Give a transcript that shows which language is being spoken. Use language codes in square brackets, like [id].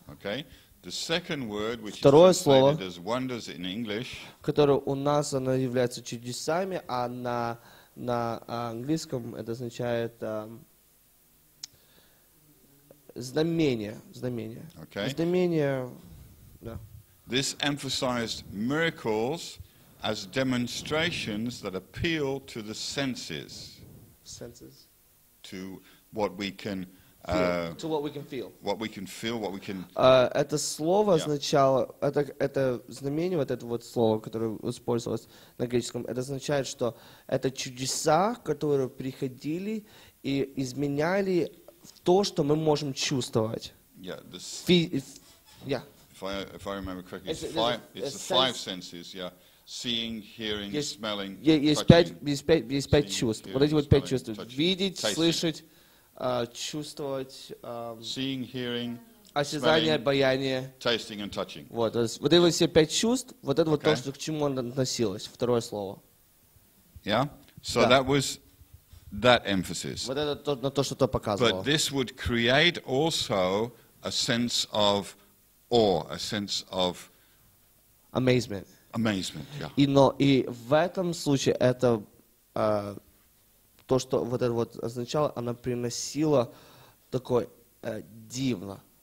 [en] Okay. The second word, which [ru] второе слово, [en] is wonders in English, [ru] которое у нас оно является чудесами, а на английском это означает знамение. [en] Okay. [ru] Знамение, да. [en] This emphasized miracles as demonstrations that appeal to the senses. Senses. To what we can feel. To what we can feel. What we can feel, what we can. [ru] Это слово означало, это знамение, вот это вот слово, которое использовалось на греческом, это означает, что это чудеса, которые приходили и изменяли то, что мы можем чувствовать. [en] Yeah, this. If I remember correctly, it's the five senses. Yeah. Seeing, hearing, smelling, [ru] есть пять чувств. Вот эти вот пять чувств. Видеть, слышать, чувствовать. [en] Seeing, hearing, [ru] осязание, обоняние. [en] Tasting and touching. [ru] Вот эти все пять чувств. Вот это вот то, что к чему он относилось. Второе слово. [en] Yeah. So that was that emphasis. [ru] Вот это то, на то, что то показывало. [en] But this would create also a sense of awe, a sense of amazement. Amazement, yeah. [ru] И в этом случае это то, что вот это вот означало, она приносила такое дивно.